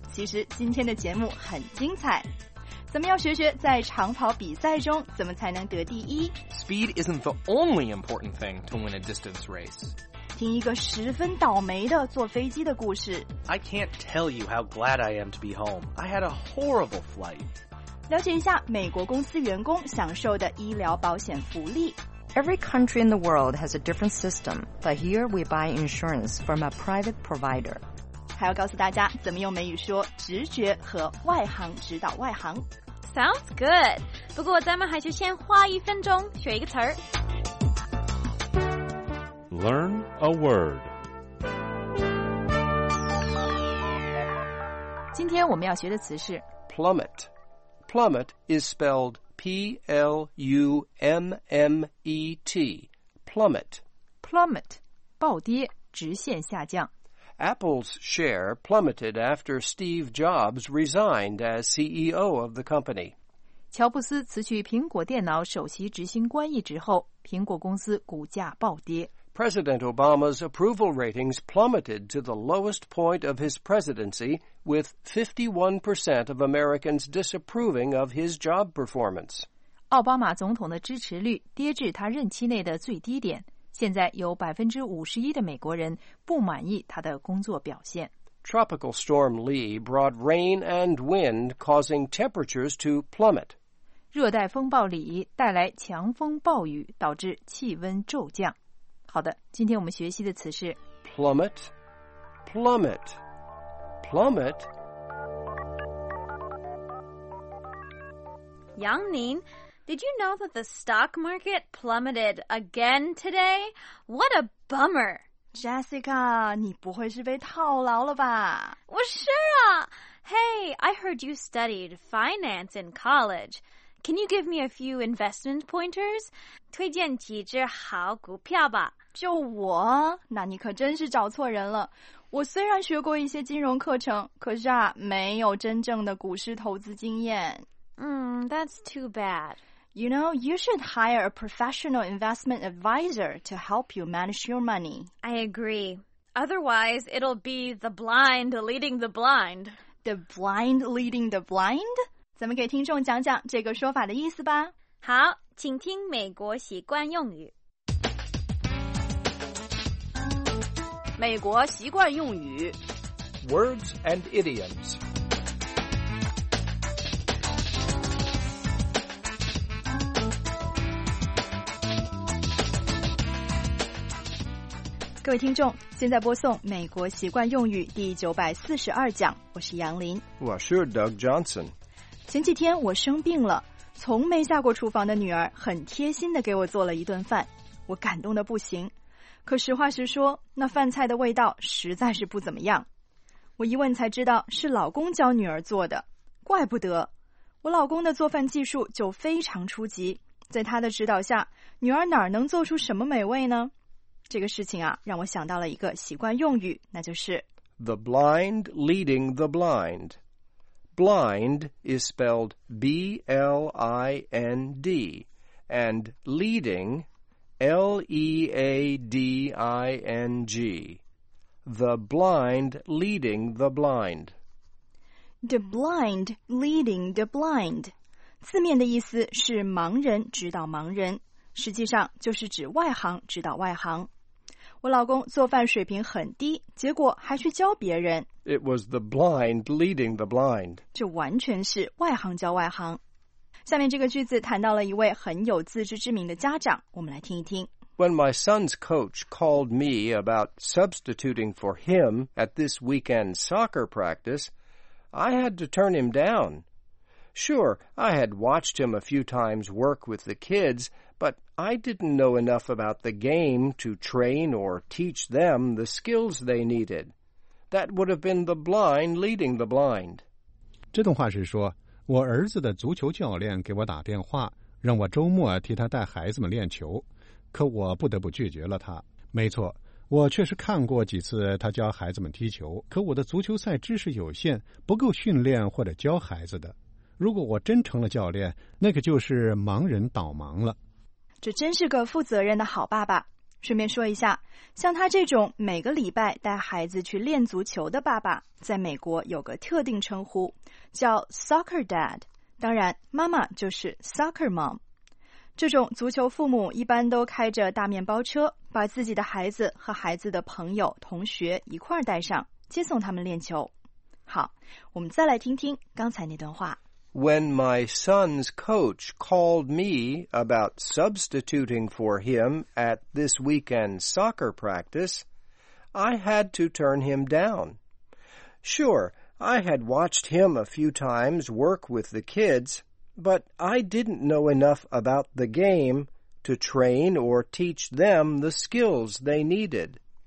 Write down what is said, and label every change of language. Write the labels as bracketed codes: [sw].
[zh] 其实今天的节目很精彩，咱们要学学在长跑比赛中怎么才能得第一。 [en] Speed isn't the only important thing to win a distance race. [zh] 听一个十分倒霉的坐飞机的故事。 [en] I can't tell you how glad I am to be home. I had a horrible flight. [zh] 了解一下美国公司员工享受的医疗保险福利。 [en] Every country in the world has a different system, but here we buy insurance from a private provider. [zh] 还要告诉大家怎么用美语说直觉和外行指导外行。 [en] Sounds good. [zh] 不过咱们还是先花一分钟学一个词儿。 [en] Learn a word. [zh] 今天我们要学的词是 [en] plummet. Plummet is spelled P-L-U-M-M-E-T, plummet. [zh] Plummet, 暴跌，直线下降。 [en] Apple's share plummeted after Steve Jobs resigned as CEO of the company. [zh] 乔布斯辞去苹果电脑首席执行官一职后，苹果公司股价暴跌。 [en] President Obama's approval ratings plummeted to the lowest point of his presidency, with 51% of Americans disapproving of his job performance. [zh] 奥巴马总统的支持率跌至他任期内的最低点，现在有51%的美国人不满意他的工作表现。 [en] Tropical Storm Lee brought rain and wind, causing temperatures to plummet. [zh] 热带风暴里带来强风暴雨，导致气温骤降。好的，今天我们学习的词是 [en] plummet, plummet, plummet. 杨宁， did you know that the stock market plummeted again today? What a bummer! [zh] Jessica, 你不会是被套牢了吧？我是啊。 [en] Hey, I heard you studied finance in college. Can you give me a few investment pointers? [zh] 推荐几只好股票吧。就我？那你可真是找错人了。我虽然学过一些金融课程，可是啊，没有真正的股市投资经验。 [en] That's too bad. You know, you should hire a professional investment advisor to help you manage your money. I agree. Otherwise, it'll be the blind leading the blind. The blind leading the blind? [zh] 咱们给听众讲讲这个说法的意思吧。好，请听美国习惯用语。美国习惯用语 [en] Words and idioms. [zh] 各位听众，现在播送美国习惯用语第942讲，我是杨林。我是 Doug Johnson。前几天我生病了，从没下过厨房的女儿很贴心地给我做了一顿饭，我感动得不行。可实话实说，那饭菜的味道实在是不怎么样。我一问才知道是老公教女儿做的，怪不得。我老公的做饭技术就非常初级，在他的指导下，女儿哪能做出什么美味呢？这个事情啊，让我想到了一个习惯用语，那就是 [en] The blind leading the blind. Blind is spelled B-L-I-N-D, and leading... L-E-A-D-I-N-G. The blind leading the blind. The blind leading the blind. [zh] 字面的意思是盲人指导盲人，实际上就是指外行指导外行。我老公做饭水平很低，结果还去教别人。 [en] It was the blind leading the blind. [zh] 这完全是外行教外行。下面这个句子谈到了一位很有自知之明的家长，我们来听一听。 [en] When my son's coach called me about substituting for him at this weekend soccer practice, I had to turn him down. Sure, I had watched him a few times work with the kids, but I didn't know enough about the game to train or teach them the skills they needed. That would have been the blind leading the blind. [zh] 这段话是说，我儿子的足球教练给我打电话，让我周末替他带孩子们练球，可我不得不拒绝了他。没错，我确实看过几次他教孩子们踢球，可我的足球赛知识有限，不够训练或者教孩子的。如果我真成了教练，那可就是盲人导盲了。这真是个负责任的好爸爸。顺便说一下，像他这种每个礼拜带孩子去练足球的爸爸，在美国有个特定称呼，叫 soccer dad。当然，妈妈就是 soccer mom。这种足球父母一般都开着大面包车，把自己的孩子和孩子的朋友、同学一块儿带上，接送他们练球。好，我们再来听听刚才那段话。 [en] When my son's coach called me about substituting for him at this weekend soccer practice, I had to turn him down. Sure, I had watched him a few times work with the kids, but I didn't know enough about the game to train or teach them the skills they needed.